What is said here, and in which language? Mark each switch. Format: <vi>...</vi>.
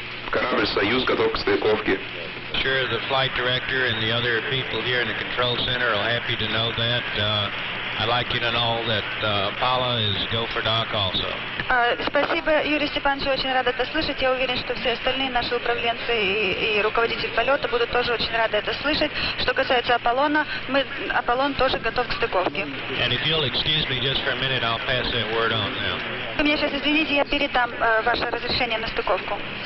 <ru>Корабль «Союз» готов к стыковке.</ru> <en>Sure, the flight director and the other people here in the control center are happy to know that. I'd like you to know that Apollo is go for dock also.</en> <ru>Спасибо, Юрий Степанович, очень рад это слышать. Я уверен, что все остальные наши управленцы и руководитель полета будут тоже очень рады это слышать. Что касается Аполлона, Аполлон тоже готов к стыковке.</ru> <en>And if you'll excuse me just for a minute, I'll pass that word on now.</en> <ru>Вы меня сейчас извините, я передам ваше разрешение на стыковку.</ru>